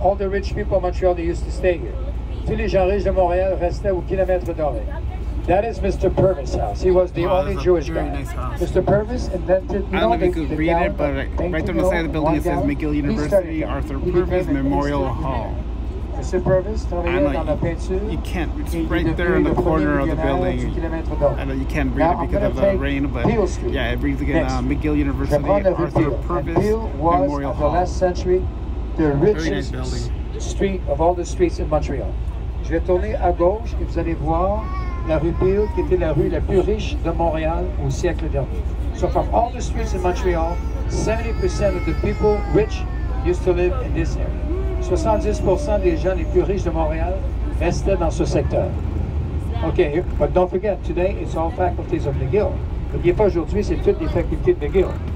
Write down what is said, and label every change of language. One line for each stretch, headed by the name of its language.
English: All the rich people of Montreal, they used to stay here.
French: Tous les gens riches de Montréal restaient au kilomètre doré.
English: That is Mr. Purvis' house. He was the only Jewish guy. Nice house. Mr. Purvis invented, you know, I don't know if you could read it, but right there on the side of the building, it says McGill University Arthur Purvis Memorial Hall. Mr. Purvis, you can't, it's right there in the corner of the building. I know you can't read it because of the rain, but yeah, it brings again McGill University Arthur Purvis Memorial Hall. The last century, the richest street of all the streets in Montreal.
French: Je vais tourner à gauche et vous allez voir la rue Peel, qui était la rue la plus riche de Montréal au siècle dernier.
English: So from all the streets in Montreal, 70% of the people rich used to live in this area.
French: 70% des gens les plus riches de Montréal restaient dans ce secteur.
English: Okay, but don't forget, today it's all faculties of McGill.
French: N'oubliez pas, aujourd'hui, c'est toutes les facultés de McGill.